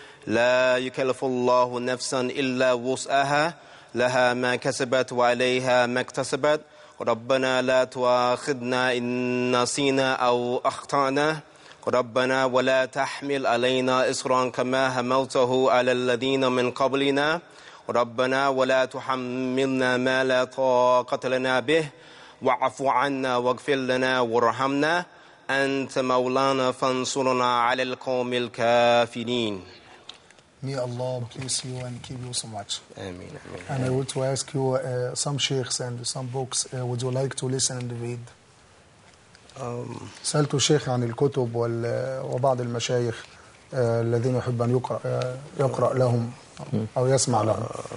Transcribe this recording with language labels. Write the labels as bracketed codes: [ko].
[ar] لا يكلف الله نفسا إلا وسعها لها ما كسبت وعليها ما اكتسبت ربنا لا تؤاخذنا إن نسينا أو أخطأنا ربنا ولا تحمل علينا إصرا كما حملته على الذين من قبلنا ربنا ولا تحملنا ما لا طاقة لنا به واعف عنا واغفر لنا وارحمنا أنت مولانا فانصرنا على القوم الكافرين. [en] May Allah bless you and keep you so much. Ameen, ameen. And I want to ask you some sheikhs and some books. Would you like to listen and read? [ar] سألت الشيخ عن الكتب وبعض المشايخ الذين يحب أن يقرأ لهم أو يسمع لهم.